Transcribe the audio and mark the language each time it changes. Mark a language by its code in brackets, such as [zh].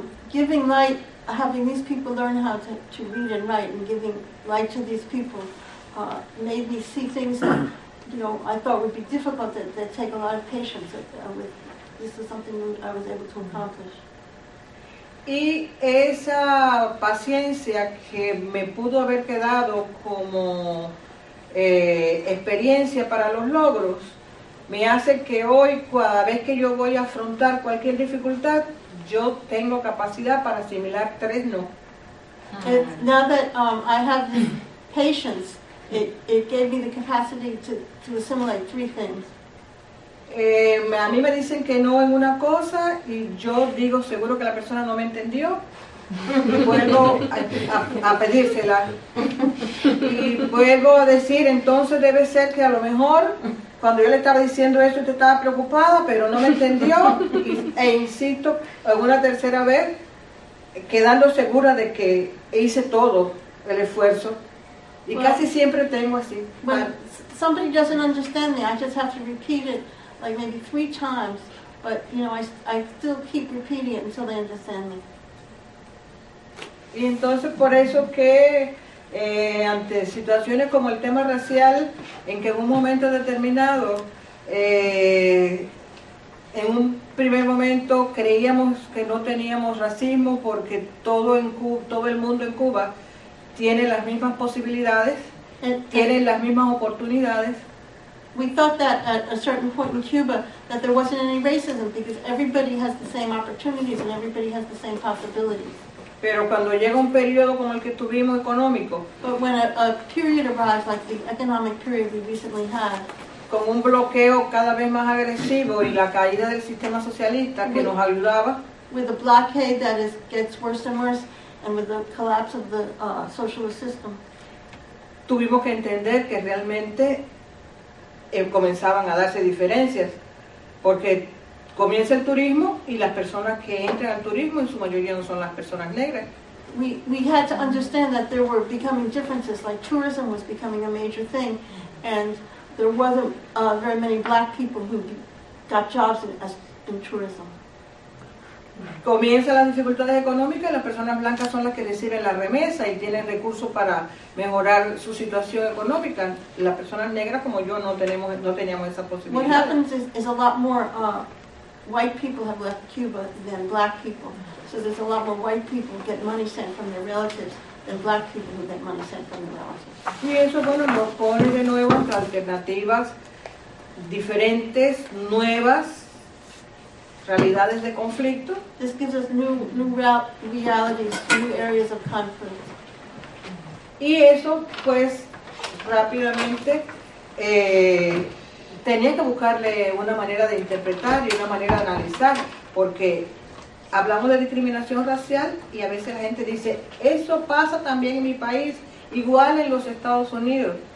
[en] Giving light, having these people learn how to read and write, and giving light to these people made me see things that, you know, I thought would be difficult, that, that take a lot of patience. With this is something I was able to accomplish. [es] Y esa paciencia que me pudo haber quedado como experiencia para los logros, me hace que hoy, cada vez que yo voy a afrontar cualquier dificultad, yo tengo capacidad para asimilar tres no. [en] Now that I have the patience, it gave me the capacity to assimilate three things. [es] A mí me dicen que no en una cosa y yo digo, seguro que la persona no me entendió, y vuelvo a pedírsela. Y vuelvo a decir, entonces debe ser que a lo mejor cuando yo le estaba diciendo eso usted estaba preocupada, pero no me entendió, e insisto una tercera vez, quedando segura de que hice todo el esfuerzo. Y [en] well, [es] casi siempre tengo así. [en] Bueno, somebody doesn't understand me, I just have to repeat it. Like maybe three times, but you know, I still keep repeating it until they understand me. [es] Y entonces por eso que ante situaciones como el tema racial, en que en un momento determinado, en un primer momento creíamos que no teníamos racismo porque todo el mundo en Cuba tiene las mismas posibilidades, tiene las mismas oportunidades. [en] We thought that at a certain point in Cuba that there wasn't any racism because everybody has the same opportunities and everybody has the same possibilities. [es] Pero cuando llega un periodo como el que tuvimos económico, [en] but when a period arrives like the economic period we recently had, [es] con un bloqueo cada vez más agresivo y la caída del sistema socialista que nos ayudaba, [en] with a blockade that gets worse and worse, and with the collapse of the socialist system, [es] tuvimos que entender que realmente comenzaban a darse diferencias, porque comienza el turismo y las personas que entran al turismo en su mayoría no son las personas negras. [en] We had to understand that there were becoming differences, like tourism was becoming a major thing, and there wasn't very many black people who got jobs in tourism. [es] Comienza las dificultades económicas y las personas blancas son las que reciben la remesa y tienen recursos para mejorar su situación económica. Las personas negras como yo no teníamos esa posibilidad. [en] What happens is a lot more white people have left Cuba than black people. So there's a lot more white people get money sent from their relatives than black people who get money sent from their relatives. [es] Y eso, bueno, nos pone de nuevo alternativas diferentes, nuevas realidades de conflicto. [en] This gives us new realities, new areas of conflict. [es] Y eso, pues, rápidamente, tenía que buscarle una manera de interpretar y una manera de analizar, porque hablamos de discriminación racial y a veces la gente dice, eso pasa también en mi país, igual en los Estados Unidos.